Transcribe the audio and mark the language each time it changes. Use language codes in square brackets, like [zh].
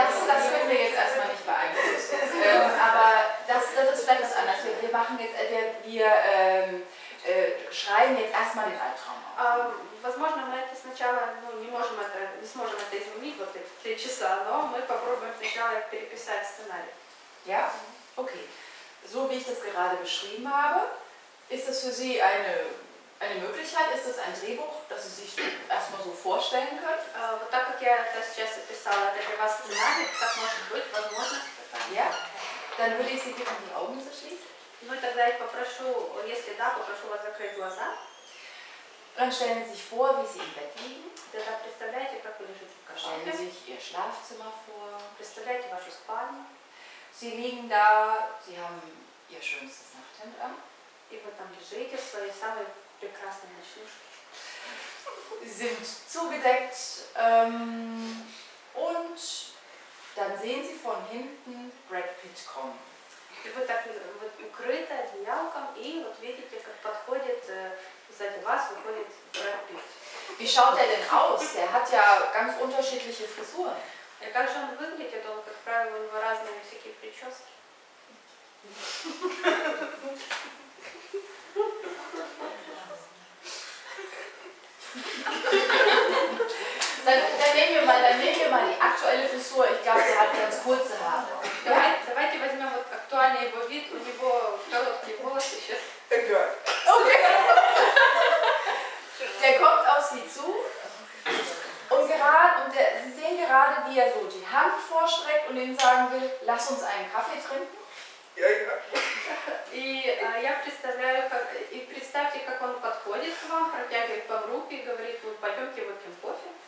[de] Das können wir jetzt erstmal nicht beeinflussen. Aber das ist vielleicht was anderes. Wir machen jetzt, schreiben jetzt erstmal den Albtraum auf. [ru] Возможно, мы это сначала не сможем это изменить вот эти 3 часа, но мы попробуем сначала переписать сценарий. [de] Ja? Okay. So wie ich das gerade beschrieben habe, ist das für Sie eine Möglichkeit? Ist das ein Drehbuch, das Sie sich erstmal so vorstellen können? [ru] Вот так как я это сейчас описала, это для вас сценарий, так может быть, возможно. [de] Ja? Dann würde ich Sie bitten, die Augen zu schließen. [ru] Ну и тогда я попрошу, если да, попрошу вас закрыть глаза. [de] Dann stellen Sie sich vor, wie Sie im Bett liegen. [ru] Тогда представляете, как вы лежите в кровати. [de] Stellen Sie sich Ihr Schlafzimmer vor. [ru] Представляете вашу спальню. [de] Sie liegen da, Sie haben Ihr schönstes Nachthemd an. [ru] И вы там лежите в своей самой прекрасной ночнушке. [de] Sind zugedeckt und dann sehen Sie von hinten Brad Pitt kommen. [ru] И вы так вот укрыты одеялком, и вот видите, как подходит сзади вас, выходит Брэд Питт. [de] Wie schaut er denn aus? Der hat ja ganz unterschiedliche Frisuren. [ru] И как же он выглядит? Он, как правило, у него разные всякие прически. [de] Dann nehmen wir mal die aktuelle Frisur. Ich glaube, der hat ganz kurze Haare. [ru] Давайте возьмем вот актуальный его вид, у него короткие волосы сейчас. Okay. [de] Der kommt auf Sie zu und Sie sehen gerade, wie er so die Hand vorstreckt und Ihnen sagen will, lass uns einen Kaffee trinken. Ja. [ru] И представьте, как он подходит к вам, протягивает вам руки и говорит, вот пойдемте выпьем кофе.